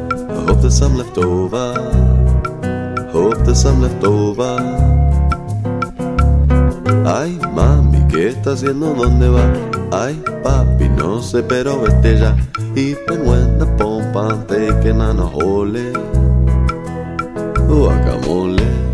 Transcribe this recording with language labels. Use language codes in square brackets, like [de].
[en] I hope there's some left over, hope there's some left over. [es] Ay mami, ¿qué está haciendo? ¿Dónde va? Ay papi, no sé, pero vete ya. [en] Even when the pump ain't taking on a hole, guacamole.